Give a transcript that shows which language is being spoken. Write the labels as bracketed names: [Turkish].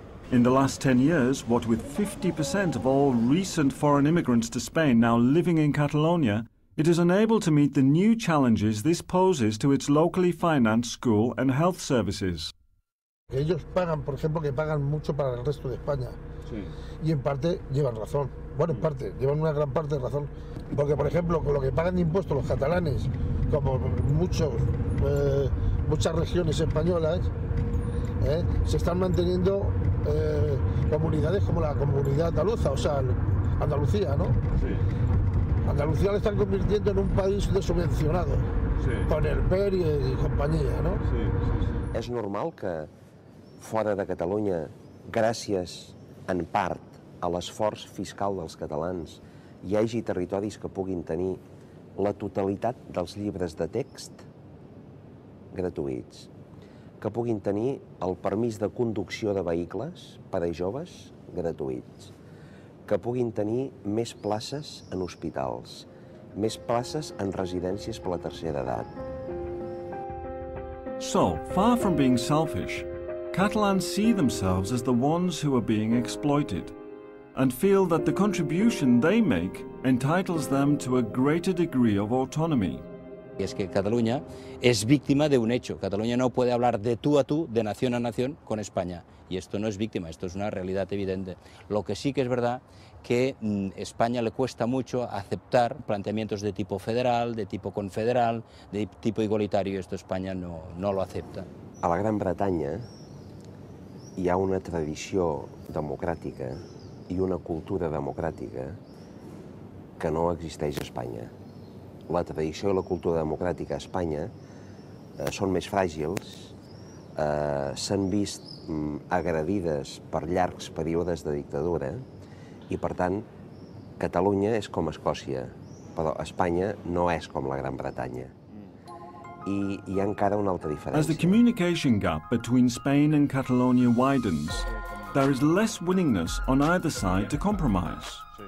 [English] In the last 10 years, what with 50% of all recent foreign immigrants to Spain now living in Catalonia, it is unable to meet the new challenges this poses to its locally financed school and health services. [Spanish] Ellos pagan, por ejemplo, que pagan mucho para el resto de España. Sí. Y en parte llevan razón. Bueno, en parte, llevan una gran parte de razón. Porque, por ejemplo, con lo que pagan de impuestos los catalanes, como muchos, muchas regiones españolas, se están manteniendo comunidades como la comunidad andaluza, o sea, Andalucía, ¿no? Sí. Andalucía la están convirtiendo en un país desubvencionado, sí, con el PER y compañía, ¿no? Sí, sí, sí. [Catalan] ¿Es normal que fuera de Catalunya, gràcies en part a l'esforç fiscal dels catalans, hi hagi territoris que puguin tenir la totalitat dels llibres de text gratuïts, que puguin tenir el permís de conducció de vehicles per a joves gratuïts, que puguin tenir més places en hospitals, més places en residències per la tercera edat? [English] So, far from being selfish, Catalans see themselves as the ones who are being exploited and feel that the contribution they make entitles them to a greater degree of autonomy. [Spanish] Es que Cataluña es víctima de un hecho. Cataluña no puede hablar de tú a tú, de nación a nación, con España. Y esto no es víctima, esto es una realidad evidente. Lo que sí que es verdad, que España le cuesta mucho aceptar planteamientos de tipo federal, de tipo confederal, de tipo igualitario. Esto España no lo acepta. [Catalan] A la Gran Bretaña hi ha una tradició democràtica i una cultura democràtica que no existeix a Espanya. La tradició i la cultura democràtica a Espanya són més fràgils, s'han vist agredides per llargs períodes de dictadura i, per tant, Catalunya és com Escòcia, però Espanya no és com la Gran Bretanya. I hi ha encara una altra diferència. [English] As the communication gap between Spain and Catalonia widens, there is less willingness on either side to compromise.